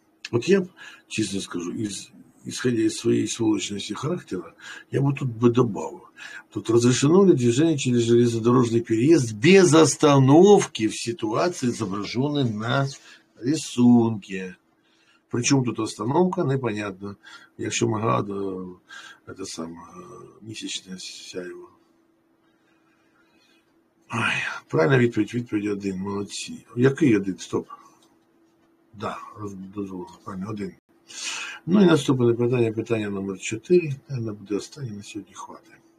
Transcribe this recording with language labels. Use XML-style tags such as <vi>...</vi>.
<uk>От я б, чесно скажу, ісходя із своєї сволочності характеру, я б тут би додав.</uk> <ru>Тут розрешено ли движение через железнодорожний переезд без остановки в ситуации, изображенной на рисунке. Причем тут остановка, непонятно.</ru> <uk>Якщо ми гадаємо, це саме, місячне сяйво. Правильна відповідь, відповідь один, молодці. Який один? Стоп. Да, дозволено, правильно, один. Ну і наступне питання, питання номер 4, наверное, буде останнє на сьогодні, хватить.</uk>